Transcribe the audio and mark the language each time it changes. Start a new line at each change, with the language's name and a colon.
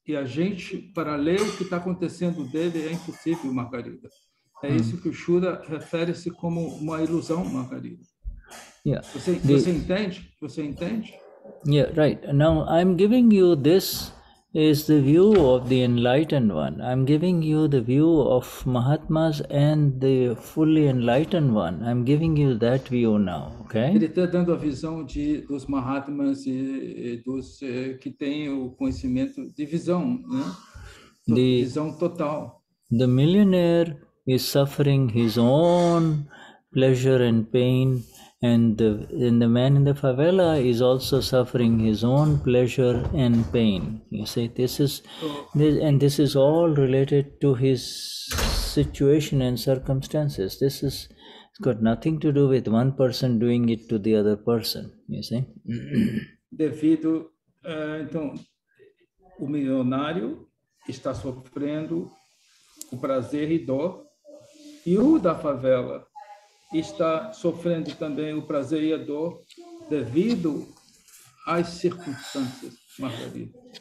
Portuguese: E a gente, para ler o que está acontecendo dele, é impossível, Margarida. É isso que o Shuddha refere-se como uma ilusão, Margarida.
English: Yeah.
Portuguese: Você entende?
English: Yeah, right. Now, I'm giving you this is the view of the enlightened one. I'm giving you the view of Mahatmas and the fully enlightened one. I'm giving you that view now, okay?
Portuguese: Ele está dando a visão dos Mahatmas e dos que têm o conhecimento de visão, né?
English: The
Portuguese: visão total.
English: The millionaire is suffering his own pleasure and pain, and the man in the favela is also suffering his own pleasure and pain, you see. This is all related to his situation and circumstances. This is, it's got nothing to do with one person doing it to the other person, you see.
Portuguese: Devido então o milionário está sofrendo o prazer e dor, e o da favela está sofrendo também o prazer e a dor devido às circunstâncias, Margarida.